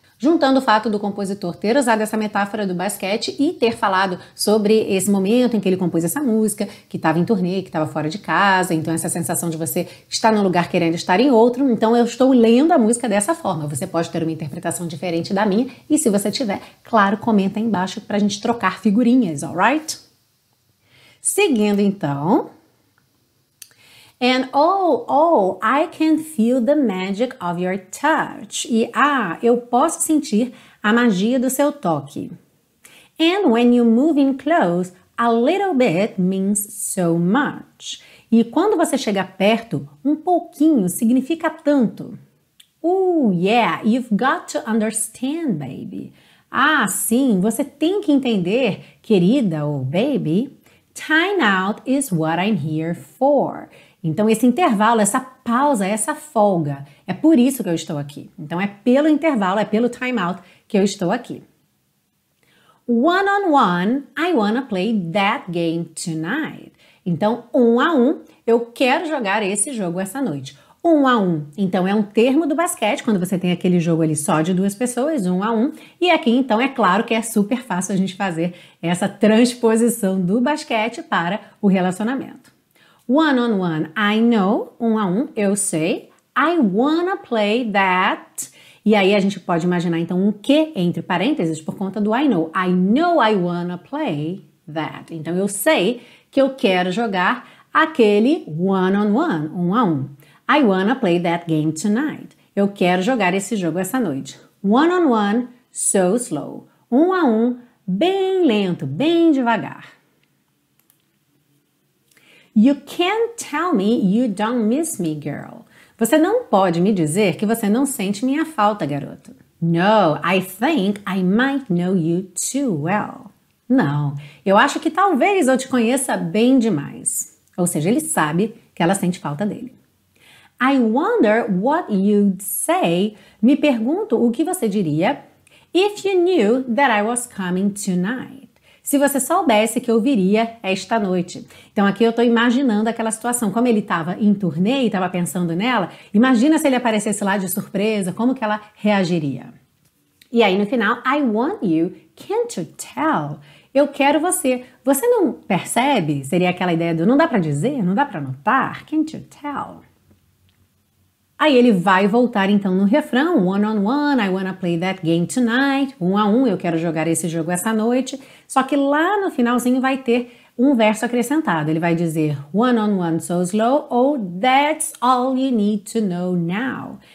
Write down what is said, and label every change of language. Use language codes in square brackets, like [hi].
[pt] Juntando o fato do compositor ter usado essa metáfora do basquete e ter falado sobre esse momento em que ele compôs essa música, que estava em turnê, que estava fora de casa, então essa sensação de você estar num lugar querendo estar em outro, então eu estou lendo a música dessa forma. Você pode ter uma interpretação diferente da minha, e se você tiver, claro, comenta aí embaixo para a gente trocar figurinhas, [en] alright? [pt] Seguindo então. [en] And oh, I can feel the magic of your touch. [pt] E, eu posso sentir a magia do seu toque. [en] And when you move in close, a little bit means so much. [pt] E quando você chega perto, um pouquinho significa tanto. [en] Yeah, you've got to understand, baby. [pt] Sim, você tem que entender, querida ou baby. [en] Time out is what I'm here for. [pt] Então, esse intervalo, essa pausa, essa folga, é por isso que eu estou aqui. Então, é pelo intervalo, é pelo timeout que eu estou aqui. [en] One-on-one, I wanna play that game tonight. [pt] Então, um a um, eu quero jogar esse jogo essa noite. Um a um, então, é um termo do basquete, quando você tem aquele jogo ali só de duas pessoas, um a um. E aqui, então, é claro que é super fácil a gente fazer essa transposição do basquete para o relacionamento. [en] One on one, I know, [pt] um a um, eu sei, [en] I wanna play that, [pt] e aí a gente pode imaginar então um que entre parênteses por conta do [en] I know I wanna play that, [pt] então eu sei que eu quero jogar aquele [en] one on one, [pt] um a um, [en] I wanna play that game tonight, [pt] eu quero jogar esse jogo essa noite, [en] one on one, so slow, [pt] um a um, bem lento, bem devagar. [en] You can't tell me you don't miss me, girl. [pt] Você não pode me dizer que você não sente minha falta, garoto. [en] No, I think I might know you too well. [pt] Não, eu acho que talvez eu te conheça bem demais. Ou seja, ele sabe que ela sente falta dele. [en] I wonder what you'd say. [pt] Me pergunto o que você diria [en] if you knew that I was coming tonight. [pt] Se você soubesse que eu viria esta noite. Então aqui eu estou imaginando aquela situação, como ele estava em turnê e estava pensando nela, imagina se ele aparecesse lá de surpresa, como que ela reagiria. E aí no final, [en] I want you, can't you tell? [pt] Eu quero você. Você não percebe? Seria aquela ideia do não dá para dizer, não dá para notar, can't you tell? Aí ele vai voltar então no refrão, [en] one on one, I wanna play that game tonight, [pt] um a um, eu quero jogar esse jogo essa noite. Só que lá no finalzinho vai ter um verso acrescentado, ele vai dizer, [en] one on one so slow, [pt] ou [en] that's all you need to know now.